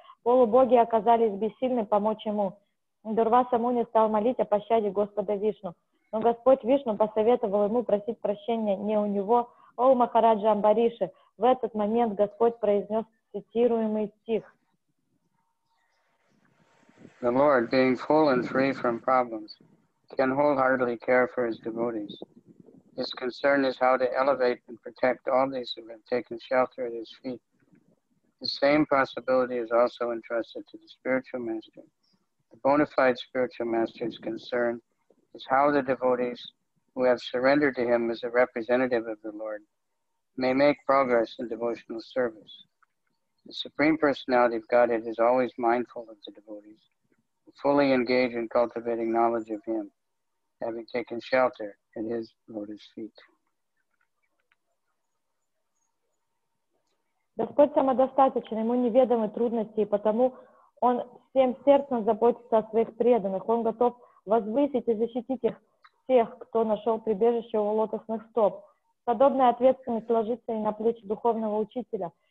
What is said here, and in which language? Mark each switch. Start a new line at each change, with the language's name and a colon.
Russian: Полубоги оказались бессильны помочь ему. Дурваса Муни стал молить о пощаде Господа Вишну. Но Господь Вишну посоветовал ему просить прощения не у него, а у Махараджа Амбариши. В этот момент Господь произнес цитируемый стих.
English: The Lord, being full and free from problems, can wholeheartedly care for his devotees. His concern is how to elevate and protect all these who have taken shelter at his feet. The same possibility is also entrusted to the spiritual master. The bona fide spiritual master's concern is how the devotees who have surrendered to him as a representative of the Lord may make progress in devotional service. The Supreme Personality of Godhead is always mindful of the devotees who fully engage in cultivating knowledge of him, having taken shelter at his lotus feet.
Russian: Господь самодостаточен, ему неведомы трудности, и потому он всем сердцем заботится о своих преданных. Он готов возвысить и защитить их всех, кто нашел прибежище у лотосных стоп. Подобная ответственность ложится и на плечи духовного учителя.